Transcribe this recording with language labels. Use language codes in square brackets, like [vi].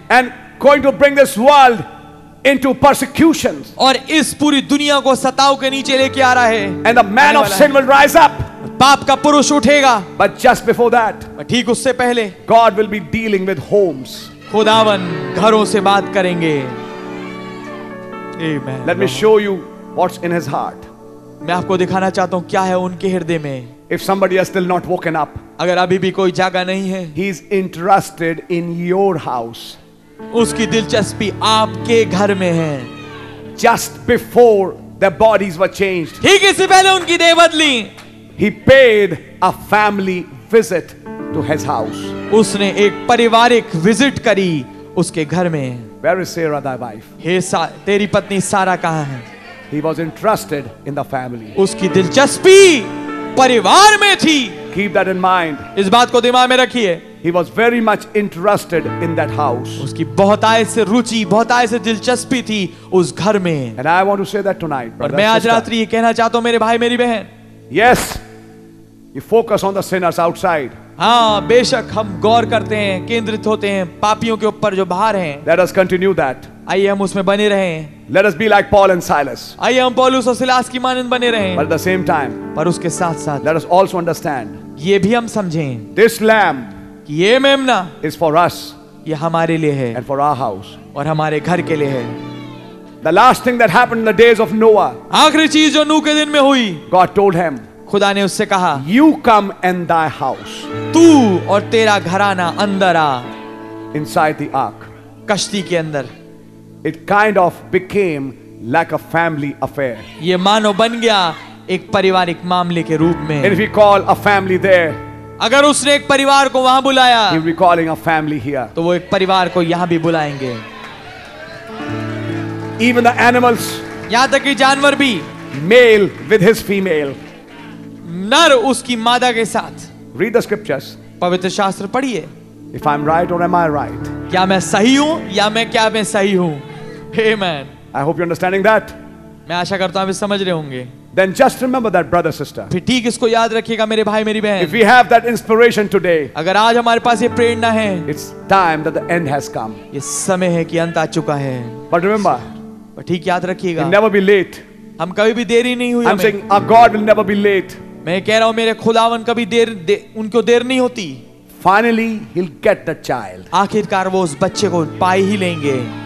[en] And going to bring this world into persecutions. [hi] और इस पूरी दुनिया को सताव के नीचे लेके आ रहा है. [en] And the man of sin will rise up. [hi] पाप का पुरुष उठेगा. [en] But just before that, [hi] ठीक उससे पहले, [en] God will be dealing with homes. [hi] खुदावन घरों से बात करेंगे. [en] Amen. Let me show you what's in his heart. [hi] मैं आपको दिखाना चाहता हूँ क्या है उनके हृदय में. [en] If somebody has still not woken up, [hi] अगर अभी भी कोई जागा नहीं है, [en] he is interested in your house. [hi] उसकी दिलचस्पी आपके घर में है. [en] Just before their bodies were changed, [hi] ठीक इससे पहले उनकी देह बदली. [en] He paid a family visit to his house. [hi] उसने एक पारिवारिक विजिट करी उसके घर में. [en] Where is Sarah, thy wife? [hi] हे तेरी पत्नी सारा कहाँ है? [en] He was interested in the family. [hi] उसकी दिलचस्पी परिवार में थी. [en] Keep that in mind. [hi] इस बात को दिमाग में रखिए. [en] He was very much interested in that house. [hi] उसकी बहुतायत से रुचि, बहुतायत से दिलचस्पी थी उस घर में. [en] And I want to say that tonight, brother. [hi] और मैं आज रात्रि ये कहना चाहता हूँ मेरे भाई, मेरी बहन. [en] Yes, you focus on the sinners outside. [hi] हाँ, बेशक हम गौर करते हैं, केंद्रित होते हैं पापियों के ऊपर जो बाहर हैं. [en] Let us continue that. [hi] आइए हम उसमें बने रहें. [en] Let us be like Paul and Silas. [hi] आइए हम पौलुस और सिलास की मानिंद बने रहें. [en] But at the same time, [hi] पर उसके साथ साथ, [en] let us also understand. [hi] ये भी हम समझें. [en] This lamb, [hi] कि ये मेमना, [en] is for us. [hi] ये हमारे लिए है. [en] And for our house, [hi] और हमारे घर के लिए है. [en] The last thing that happened in the days of Noah, [hi] आखिरी चीज जो नूह के दिन में हुई, [en] God told him. [hi] खुदा ने उससे कहा, [en] You come in thy house. [hi] तू और तेरा घराना अंदर आ. [en] Inside the ark. [hi] कश्ती के अंदर. [en] It kind of became like a family affair. [hi] ये मानो बन गया एक पारिवारिक मामले के रूप में. [en] And if we call a family there, [hi] अगर उसने एक परिवार को वहां बुलाया, [en] he'll be calling a family here. [hi] तो वो एक परिवार को यहां भी बुलाएंगे. [en] Even the animals, [hi] यहां तक कि जानवर भी, [en] male with his female. [hi] नर उसकी मादा के साथ. [en] Read the scriptures. [hi] पवित्र शास्त्र पढ़िए. [en] If I'm right or am I right? [hi] क्या मैं सही हूँ या मैं क्या मैं सही हूँ? Amen. [en] I hope you're understanding that. [hi] मैं आशा करता हूँ आप समझ रहे होंगे. [en] Then just remember that, brother, sister. [hi] फिर ठीक इसको याद रखिएगा मेरे भाई मेरी बहन. [en] If we have that inspiration today, [hi] अगर आज हमारे पास ये प्रेरणा है, [en] it's time that the end has come. [hi] ये समय है कि अंत आ चुका है. [en] But remember, [hi] पर ठीक याद रखिएगा. [en] You'll never be late. [hi] हम कभी भी देरी नहीं हुई. [en] I'm saying our God will never be late. [hi] मैं कह रहा हूँ मेरे खुदावन कभी देर उनको देर नहीं होती. [en] Finally, he'll get the child. [hi] आखिरकार वो उस बच्चे को पाई ही लेंगे.